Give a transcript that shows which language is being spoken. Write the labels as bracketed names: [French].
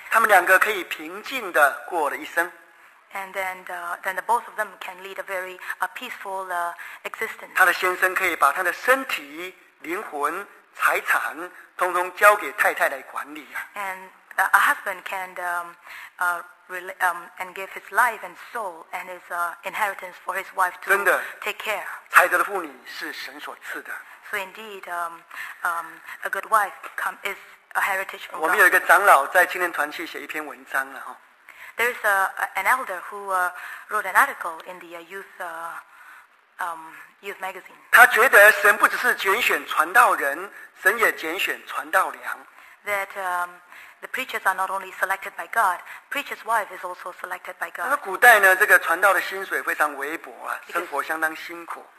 [Chinese] 他们两个可以平静的过了一生。 [English] And then the both of them can lead a very peaceful existence. [Chinese] 他的先生可以把他的身体、灵魂、财产，通通交给太太来管理啊。 [English] And a husband can and give his life and soul and his inheritance for his wife to take care. [Chinese] 才德的妇女是神所赐的。 [English] So indeed, a good wife is a heritage from God. [Chinese] 我们有一个长老在青年团去写一篇文章了哈。 [English] There's an elder who wrote an article in the youth magazine. [Chinese] 他觉得神不只是拣选传道人，神也拣选传道粮。 [English] That the preachers are not only selected by God, preacher's wife is also selected by God. [Chinese] 古代呢，这个传道的薪水非常微薄啊，生活相当辛苦。